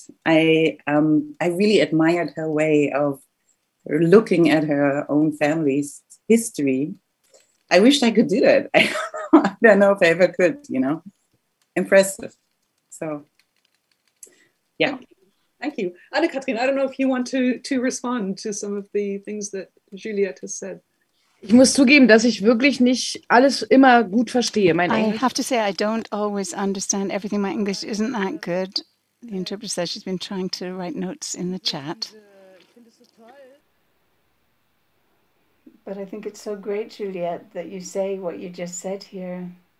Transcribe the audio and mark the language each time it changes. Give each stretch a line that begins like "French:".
English: I really admired her way of looking at her own family's history. I wish I could do that. I don't know if I ever could, you know. Impressive. So, yeah. Thank you. Annekatrin, I don't know if you want to respond to some of the things that Juliette has said.
German: Ich muss zugeben, dass ich wirklich nicht alles immer gut verstehe. Mein Englisch.
English: I have to say, I don't always understand everything. My English isn't that good. The interpreter says she's been trying to write notes in the chat. But I think it's so great, Juliette, that you say what you just said here.